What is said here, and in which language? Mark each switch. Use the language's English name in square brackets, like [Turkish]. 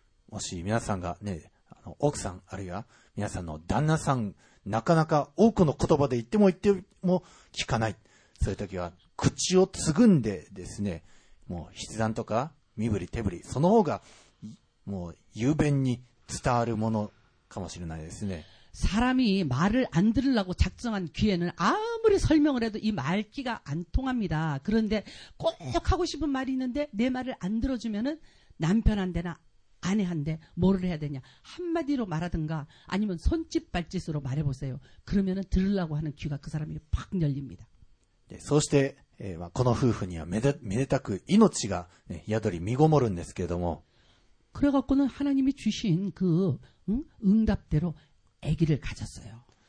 [Japanese] もし皆さんがね、奥さん、あるいは皆さんの旦那さん、なかなか多くの言葉で言っても聞かない。そういう時は口をつぐんでですね、もう筆談とか身振り手振り、その方がもう雄弁に伝わるものかもしれないですね。 [Korean] 사람이 말을 안 들으려고 작정한 귀에는 아무리 설명을 해도 이 말귀가 안 통합니다. 그런데 꼭 하고 싶은 말이 있는데 내 말을 안 들어주면은 남편한테나 아내한테 뭐를 해야 되냐. 한마디로 말하든가 아니면 손짓 발짓으로 말해보세요. 그러면은 들으려고 하는 귀가 그 사람이 팍 열립니다. [Japanese] 네, そして, この夫婦にはめでたく命が宿り見ごもるんですけれども [Korean] 그래갖고는 하나님이 주신 그 응? 응답대로 아기를 가졌어요.